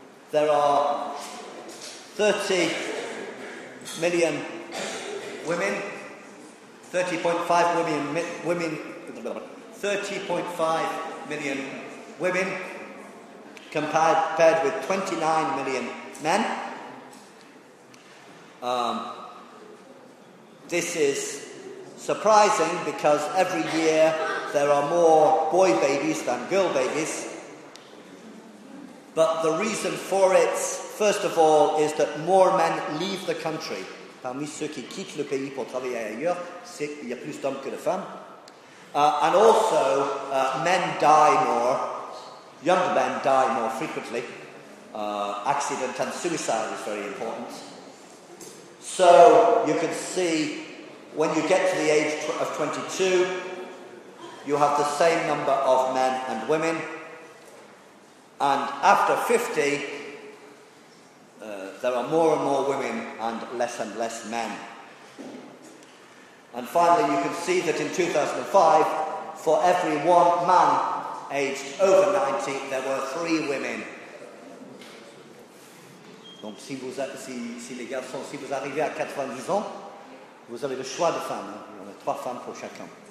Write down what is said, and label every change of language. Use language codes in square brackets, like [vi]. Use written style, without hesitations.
[en] There are 30 million women, 30.5 million women compared with 29 million men. This is surprising because every year there are more boy babies than girl babies. But the reason for it, first of all, is that more men leave the country. [fr] Parmi ceux qui quittent le pays pour travailler ailleurs, il y a plus d'hommes que de femmes. [en] And also, men die more, younger men die more frequently. Accident and suicide is very important. So, you can see, when you get to the age of 22, you have the same number of men and women. And after 50, there are more and more women and less men. And finally, you can see that in 2005, for every one man aged over 90, there were three women. [fr] Donc, si les garçons, si vous arrivez à 90 ans, vous avez le choix de femmes. Hein? Il y en a trois femmes pour chacun.